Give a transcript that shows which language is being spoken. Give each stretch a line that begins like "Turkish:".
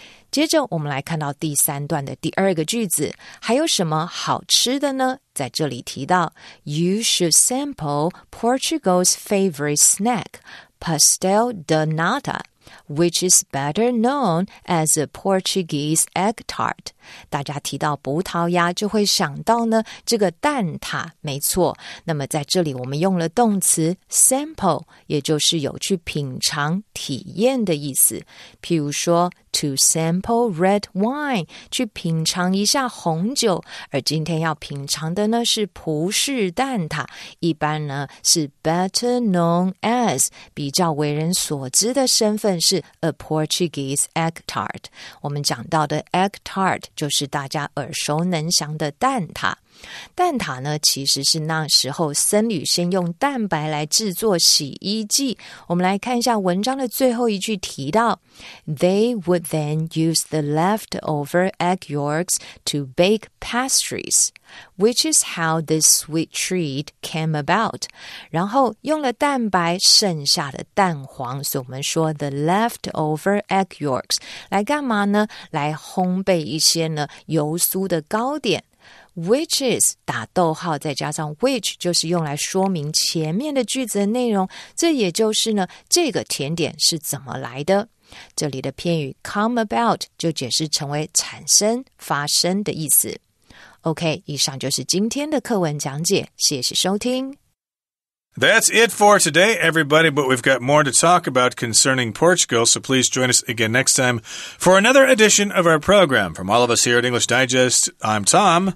Chinese: 接着我们来看到第三段的第二个句子，还有什么好吃的呢？在这里提到
English: You should sample Portugal's favorite snack Pastel de Nata which is better known as a Portuguese egg tart。
Chinese: 大家提到葡萄牙就会想到呢这个蛋挞，没错。那么在这里我们用了动词 sample， 也就是有去品尝体验的意思。譬如说
English: to sample red wine，
Chinese: 去品尝一下红酒。而今天要品尝的呢是葡式蛋挞，一般呢是
English: better known as，
Chinese: 比较为人所知的身份是
English: A Portuguese egg tart。
Chinese: 我们讲到的 egg tart 就是大家耳熟能详的蛋挞。蛋挞呢其实是那时候僧侣先用蛋白来制作洗衣剂。我们来看一下文章的最后一句提到
English: They would then use the leftover egg yolks to bake pastries which is how this sweet treat came about。
Chinese: 然后用了蛋白剩下的蛋黄，所以我们说
English: the leftover egg yolks
Chinese: 来干嘛呢？来烘焙一些呢油酥的糕点。 Which is 打逗号再加上 which 就是用来说明前面的句子的内容，这也就是呢这个甜点是怎么来的。这里的片语 come about 就解释成为产生发生的意思。 OK， 以上就是今天的课文讲解，谢谢收听。
English: That's it for today, everybody, but we've got more to talk about concerning Portugal, so please join us again next time for another edition of our program. From all of us here at English Digest, I'm Tom.